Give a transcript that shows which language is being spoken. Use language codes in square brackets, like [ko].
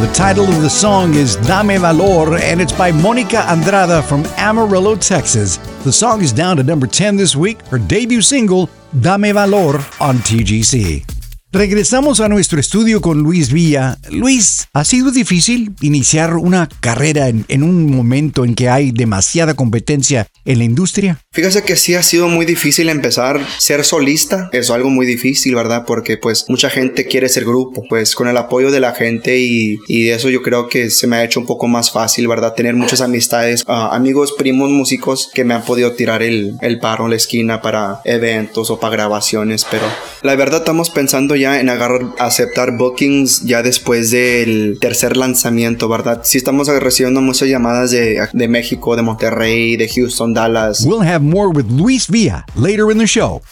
[en] The title of the song is Dame Valor, and it's by Monica Andrada from Amarillo, Texas. The song is down to number 10 this week, her debut single, Dame Valor, on TGC. [es] Regresamos a nuestro estudio con Luis Villa. Luis, ¿ha sido difícil iniciar una carrera en un momento en que hay demasiada competencia en la industria? Fíjese que sí ha sido muy difícil empezar ser solista. Es algo muy difícil, ¿verdad? Porque pues mucha gente quiere ser grupo. Pues con el apoyo de la gente y eso yo creo que se me ha hecho un poco más fácil, ¿verdad? Tener muchas amistades, amigos, primos, músicos que me han podido tirar el paro en la esquina para eventos o para grabaciones, pero... La verdad, estamos pensando ya en aceptar bookings ya después del tercer lanzamiento, ¿verdad? Sí, estamos recibiendo muchas llamadas de México, de Monterrey, de Houston, Dallas. [en] We'll have more with Luis Villa later in the show.